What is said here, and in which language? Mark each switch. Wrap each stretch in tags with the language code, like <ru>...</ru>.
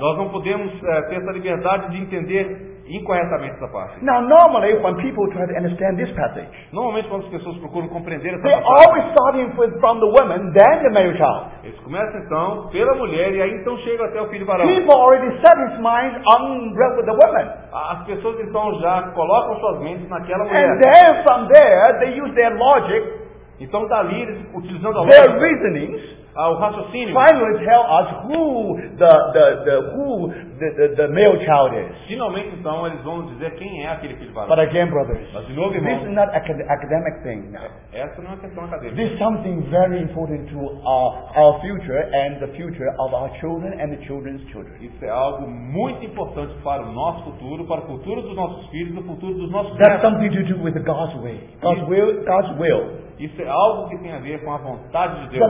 <pt>Nós não podemos ter essa liberdade de entender incorretamente essa parte.</pt> <en>Now, normally, when people try to understand this passage,</en> <pt>normalmente quando as pessoas procuram compreender essa</pt> <en>they</en> <pt>passagem,</pt> <en>always starting with from the woman, then the male child.</en> <pt>Eles começam então pela mulher e aí então chegam até o filho varão.</pt> <en>People already set his mind on the woman.</en> <pt>As pessoas então já colocam suas mentes naquela mulher.</pt> <en>And then from there they use their logic.</en> <pt>Então dali eles utilizando a</pt> <en>their</en> <pt>lógica,</pt> <en>reasonings.</en> <pt>O raciocínio.</pt> <en>Finally, tell us who the male child is.</en> <pt>Finalmente, então, eles vão dizer quem é aquele filho varão.</pt> <en>But again, brothers,</en> <pt>mas de novo,</pt> <en>this</en> <pt>irmão,</pt> <en>is not academic thing. No.</en> <pt>Essa não é questão acadêmica.</pt> <en>This is something very important to our future and the future of our children and the children's children.</en> <pt>Isso é algo muito importante para o nosso futuro, para o futuro dos nossos filhos, para o futuro dos nossos.</pt> <en>That's something to do with God's way. God's will.</en> <pt>Isso é algo que tem a ver com a vontade de Deus.</pt>